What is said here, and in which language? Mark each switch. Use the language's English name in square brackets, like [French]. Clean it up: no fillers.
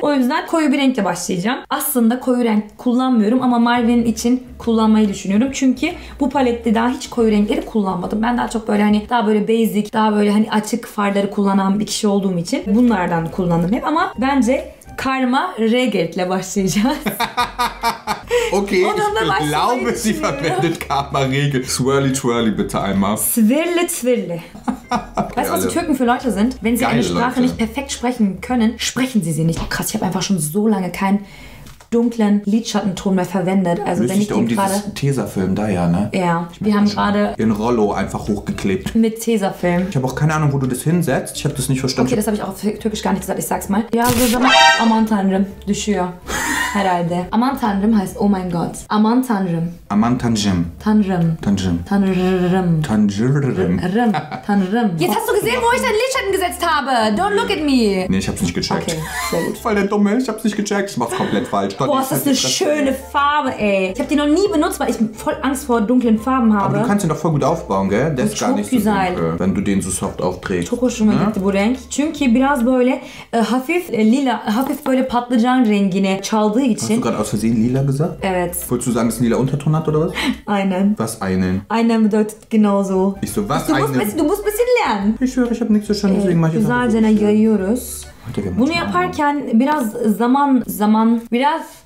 [Turkish] O yüzden koyu bir renkle başlayacağım. Aslında koyu renk kullanmıyorum ama Marvin için kullanmayı düşünüyorum. Çünkü bu palette daha hiç koyu renkleri kullanmadım. Ben daha çok böyle hani daha böyle basic, daha böyle hani açık farları kullanan bir kişi olduğum için bunlardan kullandım hep. Ama bence Karma Regret'le başlayacağız. [German] Okay, ich glaube, sie verwendet Karma-Regel. Swirly Twirly bitte einmal. Swirly Twirly. Weißt du, was die Türken für Leute sind? Wenn sie geile eine Sprache Leute nicht perfekt sprechen können, sprechen sie sie nicht. Oh, krass, ich habe einfach schon so lange keinen dunklen Lidschattenton mehr verwendet. Also wenn ich um dieses Tesafilm da, ja, ne? Ja, wir haben gerade den Rollo einfach hochgeklebt. Mit Tesafilm. Ich habe auch keine Ahnung, wo du das hinsetzt. Ich habe das nicht verstanden. Okay, das habe ich auch auf Türkisch gar nicht gesagt. Ich sag's mal. Ja, so [Turkish] aman tanrım, düşüyor. Herhalde. Aman tanrım [German] heißt, oh mein Gott. [Turkish] Aman tanrım. Aman tanrım. Tanrım. Tanrım. Tanrım. Tanrım. Tanrım. [German] Jetzt hast du gesehen, wo ich deinen Lidschatten gesetzt habe. [English] Don't look at me. [German] Nee, ich hab's nicht gecheckt. Okay, sehr gut. Voll der Dumme, ich hab's nicht gecheckt. Ich mach's komplett falsch. Boah, das ist eine schöne Farbe, ey. Ich hab die noch nie benutzt, weil ich voll Angst vor dunklen Farben habe. Aber du kannst den doch voll gut aufbauen, gell? Der ist gar nicht so dunkel, wenn du den so soft aufträgst. [Turkish] Çok hoşuma gitti bu renk. Çünkü biraz böyle hafif lila, hafif böyle patlıcan rengine çaldı. [German] Hast du gerade aus Versehen lila gesagt? [Turkish] Evet. [German] Wolltest du sagen, dass es ein lila Unterton hat oder was? Einen. Was einen? Einen bedeutet genauso. Ich so, was du einen? Musst, du musst ein bisschen lernen. Ich schwöre, ich habe nichts verstanden, deswegen mache ich das. [Turkish] Güzel yayıyoruz. Bunu yaparken biraz zaman, zaman, biraz...